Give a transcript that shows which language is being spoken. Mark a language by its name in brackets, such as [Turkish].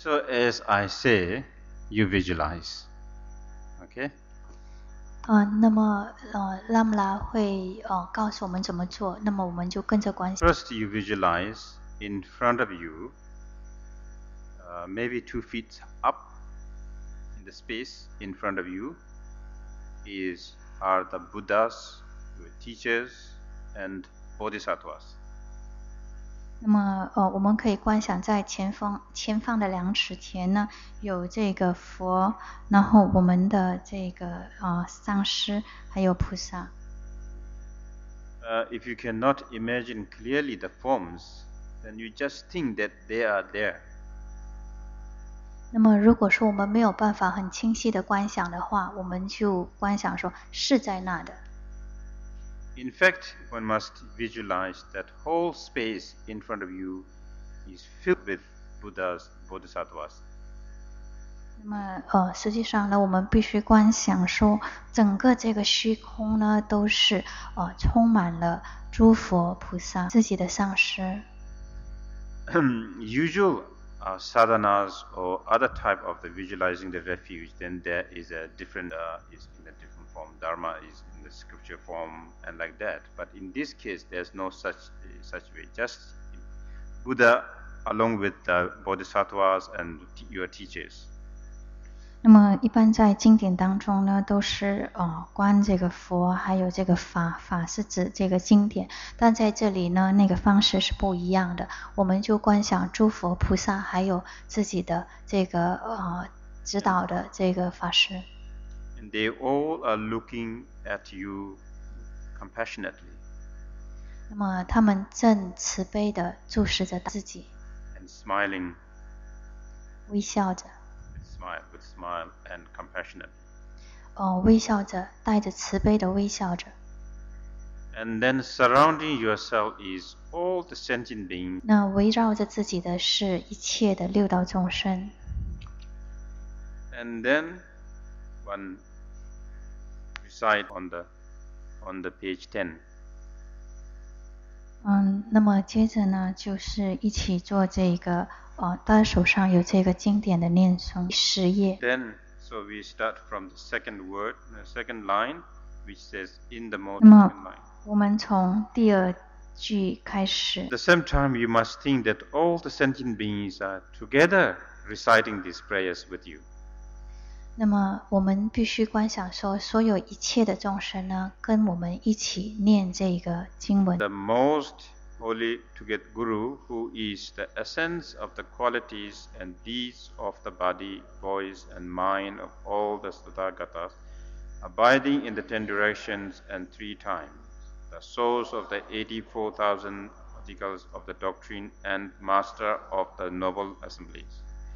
[English] So as I say, you visualize. Okay? [Chinese] 那么拉姆拉会告诉我们怎么做，那么我们就跟着观想。 [English] First, you visualize in front of you, maybe 2 feet up in the space in front of you, are the Buddhas, the teachers, and Bodhisattvas. [Chinese] 那么我们可以观想在前方的两尺前呢，有这个佛，然后我们的这个上师，还有菩萨。 [English] If you cannot imagine clearly the forms, then you just think that they are there. [Chinese] 那么如果说我们没有办法很清晰的观想的话，我们就观想说是在那的。 [English] In fact, one must visualize that whole space in front of you is filled with Buddhas, Bodhisattvas. [Chinese] 那么实际上呢，我们必须观想说，整个这个虚空呢，都是充满了诸佛菩萨自己的上师。 [English] Usual sadhanas or other type of the visualizing the refuge, then there is a different is in a different form. Dharma is. Scripture form and like that, but in this case, there's no such way. Just Buddha along with the Bodhisattvas and your teachers. [Chinese] 那么一般在经典当中呢，都是观这个佛，还有这个法，法是指这个经典。但在这里呢，那个方式是不一样的。我们就观想诸佛菩萨，还有自己的这个指导的这个法师。 [English] And they all are looking at you compassionately. [Chinese] 那么他们正慈悲地注视着自己。 [English] And smiling. [Chinese] 微笑着。 [English] Smile with smile and compassionate. [Chinese] 微笑着，带着慈悲地微笑着。 [English] And then surrounding yourself is all the sentient beings. [Chinese] 那围绕着自己的是一切的六道众生。 [English] And then one. Recite on the page 10. [Chinese] 那么接着呢，就是一起做这个大家手上有这个经典的念诵十页。 [English] Then, so we start from the second word, the second line, which says in the most. [Chinese] 那么我们从第二句开始。 [English] At the same time, you must think that all the sentient beings are together reciting these prayers with you. [Chinese] 那么我们必须观想说，所有一切的众生呢，跟我们一起念这个经文。 [English] The most holy to get guru, who is the essence of the qualities and deeds of the body, voice and mind of all the Tathagatas, abiding in the 10 directions and 3 times, the source of the 84,000 articles of the doctrine and master of the noble assemblies.